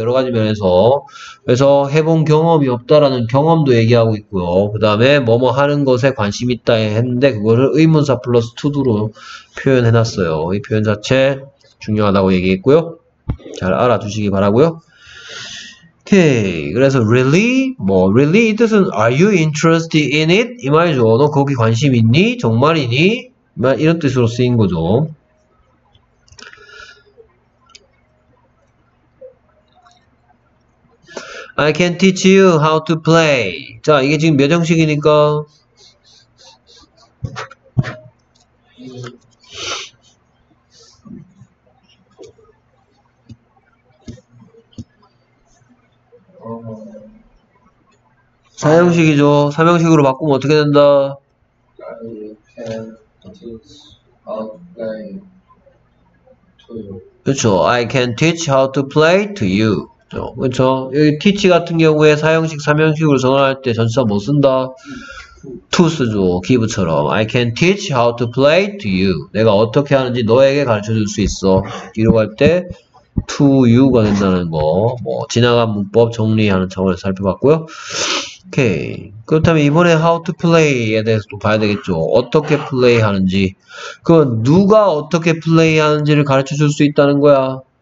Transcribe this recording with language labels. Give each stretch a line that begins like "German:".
Korean: 여러 가지 면에서. 그래서 해본 경험이 없다라는 경험도 얘기하고 있고요. 그 다음에 뭐뭐 하는 것에 관심 있다 했는데 그거를 의문사 플러스 to do로 표현해놨어요. 이 표현 자체 중요하다고 얘기했고요. 잘 알아두시기 바라고요. 오케이. 그래서 really?
English: 뭐 really
Korean: 이 뜻은
English: are you interested in it?
Korean: 이 말이죠. 너 거기 관심 있니? 정말이니? 이런 뜻으로 쓰인 거죠.
English: 'I can teach you how to play.'
Korean: 자, 이게 지금 몇 형식이니까 3형식이죠. 3형식으로 바꾸면 어떻게 된다?
English: I can teach how to play to you.
Korean: 그쵸.
English: I can teach how to play to you.
Korean: 그쵸. 여기 teach 같은 경우에 4형식, 3형식으로 전환할 때 전치사 뭐 쓴다? to 쓰죠. give처럼.
English: I can teach how to play to you.
Korean: 내가 어떻게 하는지 너에게 가르쳐 줄 수 있어. 뒤로 갈 때 to you가 된다는 거. 뭐, 지나간 문법 정리하는 차원에서 살펴봤고요. 그렇다면 이번에 How to Play에 대해서도 봐야 되겠죠. 어떻게 플레이하는지, 그 누가 어떻게 플레이하는지를 가르쳐줄 수 있다는 거야.